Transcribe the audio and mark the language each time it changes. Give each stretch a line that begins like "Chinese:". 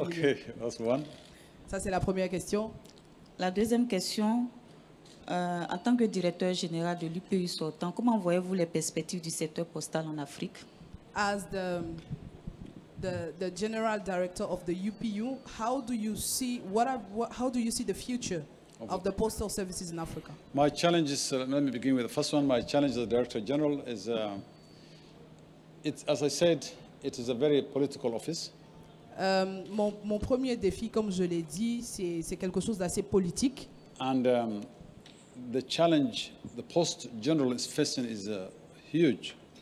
English: okay, year? Okay, that's one.
French: Ça, c'est la première question. La deuxième question, en tant que directeur général de l'UPU sortant, comment voyez-vous les perspectives du secteur postal en Afrique?
English: As the general director of the UPU, how do you see the future of the postal services in Africa? My challenge is, let me begin with the first one. My challenge as Director General is, as I said, it is a very political office.
French: Mon premier défi, comme je l'ai dit, c'est quelque chose d'assez politique.
English: And the challenge the post general is facing is huge.